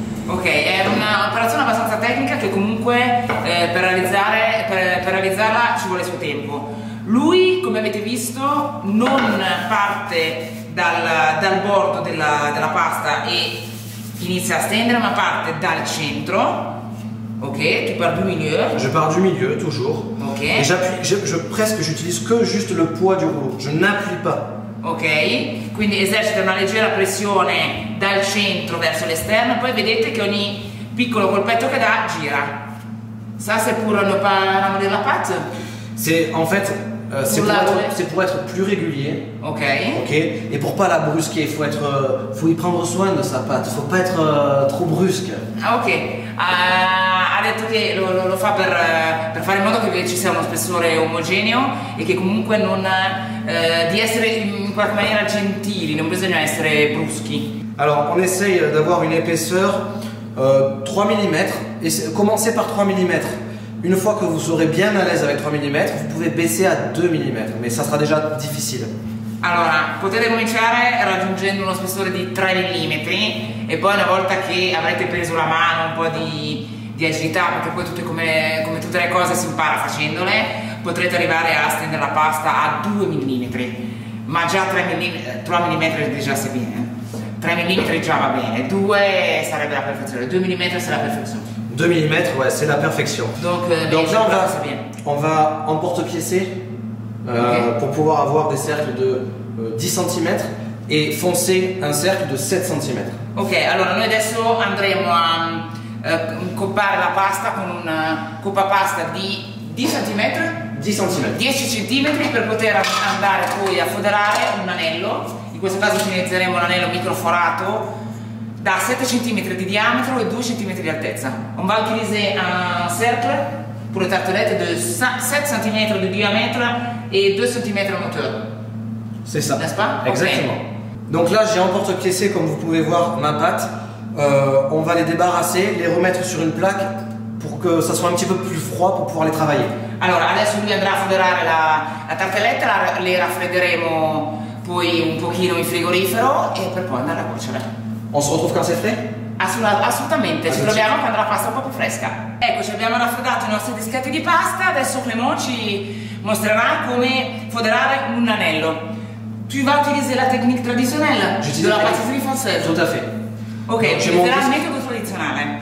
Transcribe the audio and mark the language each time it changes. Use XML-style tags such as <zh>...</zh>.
<it>Ok, è un'operazione abbastanza tecnica che comunque per realizzarla ci vuole suo tempo. Lui, come avete visto, non parte dal bordo della pasta e inizia a stendere, ma parte dal centro.</it> <fr>Ok, tu pars du milieu. Je pars du milieu, toujours. Ok. Et j'appuie, presque, j'utilise que juste le poids du rouleau. Je n'appuie pas.</fr> <it>Ok, quindi esercita una leggera pressione dal centro verso l'esterno, poi vedete che ogni piccolo colpetto che dà gira.</it> <fr>Ça, c'est pour ne pas ramener la pâte? C'est, en fait, c'est pour être plus régulier. Ok. Ok, et pour pas la brusquer, faut y prendre soin de sa pâte, faut pas être trop brusque. Ah, ok.</fr> <it>Ha detto che lo fa per fare in modo che ci sia uno spessore omogeneo e che comunque non di essere in qualche maniera gentili, non bisogna essere bruschi.</it> <fr>Allora, on essaye d'avoir une épaisseur 3 mm, e commencez par 3 mm. Une fois que vous serez bien à l'aise avec 3 mm, vous pouvez baisser à 2 mm, mais ça sera déjà difficile.</fr> <it>Allora, potete cominciare raggiungendo uno spessore di 3 mm e poi una volta che avrete preso la mano un po' di agilità, perché poi tutte come tutte le cose si impara facendole, potrete arrivare a stendere la pasta a 2 mm, ma già 3 mm già si viene, 3 mm già va bene, 2 sarebbe la perfezione, 2 mm sarà la perfezione.</it> <fr>2 mm, ouais, c'est la perfection. Donc là, on va en porte-piécé pour pouvoir avoir des cercles de 10 cm et foncer un cercle de 7 cm.</fr> <it>Ok, allora noi adesso andremo a coppare la pasta con una coppa pasta di 10 cm? 10 cm. 10 cm per poter andare poi a foderare un anello. In questo caso utilizzeremo un anello microforato da 7 cm di diametro e 2 cm di altezza.</it> <fr>On va utilisé un cercle pour les tartelettes de 7 cm de diamètre et 2 cm en hauteur. C'est ça. N'est-ce pas? Exactement. Okay. Donc là, j'ai emporte piécé, comme vous pouvez voir, ma pâte. On va les débarrasser, les remettre sur une plaque pour que ça soit un petit peu plus froid pour pouvoir les travailler.</fr> <it>Allora, adesso lui andrà a federare la tartelletta, le raffredderemo poi un pochino in frigorifero e per poi andare a cuocere.</it> <fr>On se retrouve quand c'est frais?</fr> <it>Assolutamente, ci troviamo quando la pasta è un po' più fresca. Eccoci, abbiamo raffreddato i nostri dischetti di pasta, adesso Clément ci mostrerà come foderare un anello.</it> <fr>Tu vas utiliser la technique traditionnelle de la pâtisserie française? Tout à fait.</fr> <it>Ok, utiliserai il metodo tradizionale.</it>